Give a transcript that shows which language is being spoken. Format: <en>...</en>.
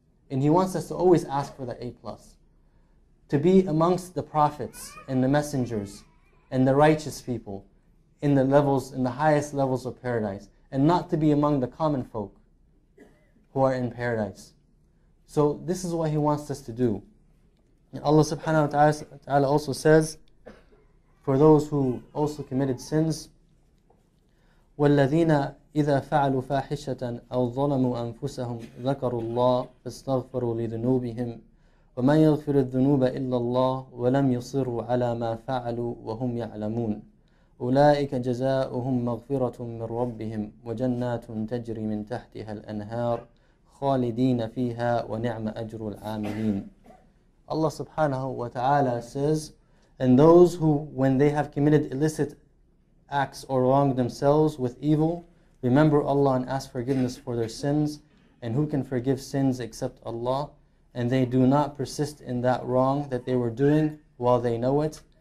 <en>And He wants us to always ask for the A+. To be amongst the prophets and the messengers and the righteous people in the levels, in the highest levels of paradise. And not to be among the common folk who are in paradise. So this is what He wants us to do. Allah subhanahu wa ta'ala also says, for those who also committed sins,</en> <ar>وَالَّذِينَ إِذَا فَعَلُوا فَاحِشَةً أَوْ ظَلَمُوا أَنفُسَهُمْ ذَكَرُوا اللَّهِ فَاسْتَغْفَرُوا لِذُنُوبِهِمْ وَمَنْ يَغْفِرُ الذُّنُوبَ إِلَّا اللَّهِ وَلَمْ يُصِرُوا عَلَى مَا فَعَلُوا وَهُمْ يَعْلَمُونَ أُولَئِكَ جَزَاؤُهُمْ مَغْفِرَةٌ مِّنْ رَبِّهِمْ وَجَنَّاتٌ تَجْرِي مِنْ تَحْتِهَا الْأَنْهَارُ خَالِدِينَ فِيهَا وَنِعْمَ أَجْرُ الْعَامِلِينَ.</ar> <en>Allah subhanahu wa ta'ala says, and those who, when they have committed illicit acts or wronged themselves with evil, remember Allah and ask forgiveness for their sins. And who can forgive sins except Allah? And they do not persist in that wrong that they were doing while they know it.</en>